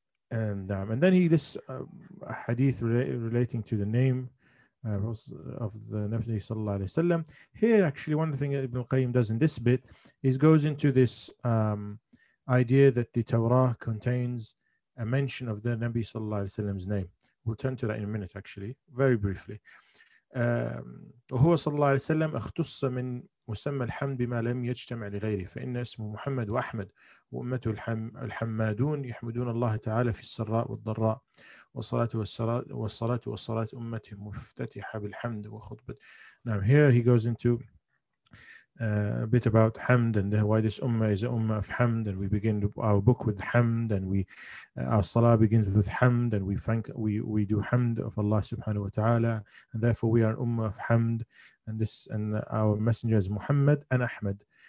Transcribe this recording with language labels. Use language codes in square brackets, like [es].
[en] And then he lists a hadith relating to the name of the Nabi sallallahu alayhi wa sallam. Here, actually, one thing that Ibn al-Qayyim does in this bit is goes into this idea that the Torah contains a mention of the Nabi sallallahu alayhi wa sallam's name. We'll turn to that in a minute, actually, very briefly. [ar] وهو صلى الله عليه وسلم اختص من مسمى الحمد بما لم يجتمع لغيره فإن اسمه محمد وأحمد وأمته الحمادون يحمدون الله تعالى في السراء والضراء والصلاة أمته مفتتحة بالحمد وخطبة. [en] Now here he goes into a bit about Hamd and why this Ummah is an Ummah of Hamd, and we begin our book with Hamd, and our Salah begins with Hamd, and we do Hamd of Allah subhanahu wa ta'ala, and therefore we are an Ummah of Hamd, and our messenger is Muhammad and Ahmed.